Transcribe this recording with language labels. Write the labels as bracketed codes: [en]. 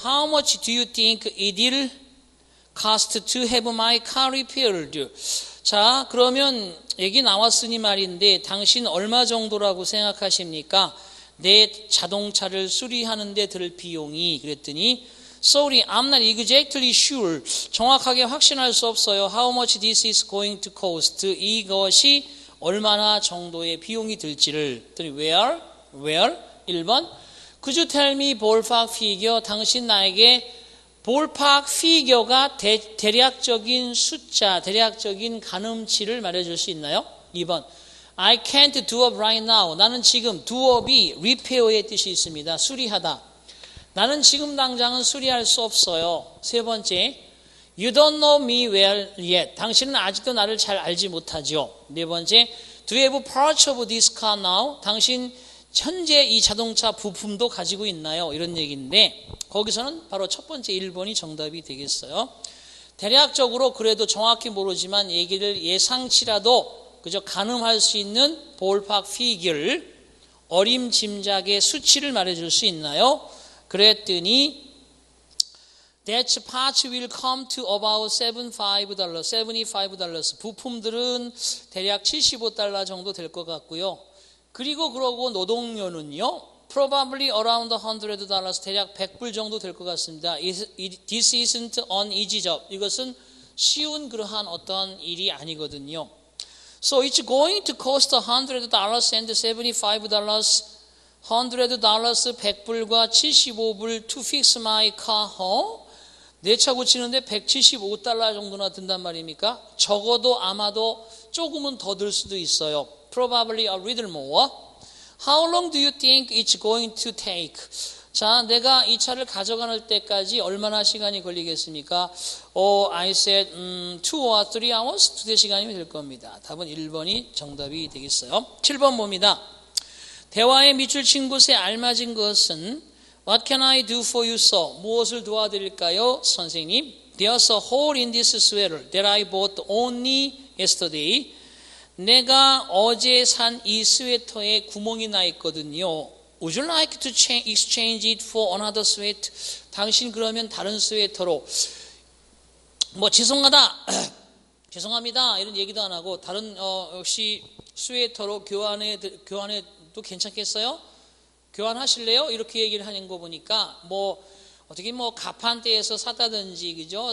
[en] How much do you think it'll cost to have my car repaired? [ko] 자, 그러면 얘기 나왔으니 말인데 당신 얼마 정도라고 생각하십니까? 내 자동차를 수리하는 데 들 비용이 그랬더니 [en] Sorry, I'm not exactly sure. [ko] 정확하게 확신할 수 없어요. [en] How much this is going to cost? [ko] 이것이 얼마나 정도의 비용이 들지를. [en] Where? 1번. Could you tell me ballpark figure? [ko] 당신 나에게 ballpark figure가 대략적인 숫자, 대략적인 가늠치를 말해줄 수 있나요? 2번. [en] I can't do up right now. [ko] 나는 지금 [en] do up이 repair의 [ko] 뜻이 있습니다. 수리하다. 나는 지금 당장은 수리할 수 없어요. 세 번째, [en] You don't know me well yet. [ko] 당신은 아직도 나를 잘 알지 못하죠. 네 번째, [en] Do you have parts of this car now? [ko] 당신 현재 이 자동차 부품도 가지고 있나요? 이런 얘기인데 거기서는 바로 첫 번째 1번이 정답이 되겠어요. 대략적으로 그래도 정확히 모르지만 얘기를 예상치라도 그저 가늠할 수 있는 볼팍 피규어를 어림짐작의 수치를 말해줄 수 있나요? 그랬더니 [en] That part will come to about $75. [ko] 부품들은 대략 $75 정도 될 것 같고요. 그리고 그러고 노동료는요. [en] Probably around $100. [ko] 대략 $100 정도 될 것 같습니다. [en] This isn't an easy job. [ko] 이것은 쉬운 그러한 어떤 일이 아니거든요. [en] So it's going to cost $100 and $75. $100, $100불과 $75불 to fix my car, huh? [ko] 내 차 고치는데 $175 정도나 든단 말입니까? 적어도 아마도 조금은 더 들 수도 있어요. [en] Probably a little more. How long do you think it's going to take? [ko] 자, 내가 이 차를 가져가는 때까지 얼마나 시간이 걸리겠습니까? [en] I said, 2 or 3 hours? [ko] 두세 시간이면 될 겁니다. 답은 1번이 정답이 되겠어요. 7번 봅니다. 대화에 밑줄 친 곳에 알맞은 것은 [en] What can I do for you, sir? [ko] 무엇을 도와드릴까요, 선생님? [en] There's a hole in this sweater that I bought only yesterday. [ko] 내가 어제 산 이 스웨터에 구멍이 나 있거든요. [en] Would you like to exchange it for another sweater? [ko] 당신 그러면 다른 스웨터로 뭐 죄송하다, 죄송합니다 이런 얘기도 안 하고 다른 역시 스웨터로 교환해 또 괜찮겠어요? 교환하실래요? 이렇게 얘기를 하는 거 보니까 뭐 어떻게 뭐 가판대에서 샀다든지 그죠?